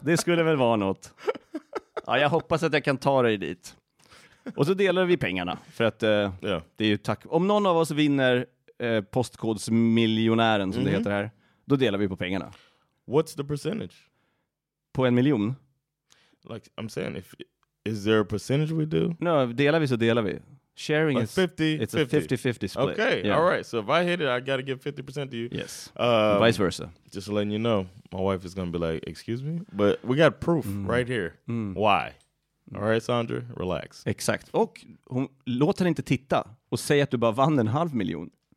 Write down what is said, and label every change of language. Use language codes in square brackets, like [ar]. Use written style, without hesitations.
[sv] Det skulle väl vara något. Ja, jag hoppas att jag kan ta dig dit. Och så delar vi pengarna. För att det är ju tack. Om någon av oss vinner postkodsmiljonären, som det heter här, då delar vi på pengarna. [en] What's the percentage? [sv] På en miljon? [en] Like I'm saying, if is there a percentage we do? [sv] No, delar vi så delar vi. [en] Sharing like is 50, it's 50. A 50-50 split. Okay, yeah. All right. So if I hit it, I got to give 50% to you. Yes, vice versa. Just letting you know, my wife is going to be like, excuse me? But we got proof right here. Mm. Why? All right, Sandra, relax. [sv] Exakt. Och hon, låt henne inte titta och säg att du bara vann en halv miljon.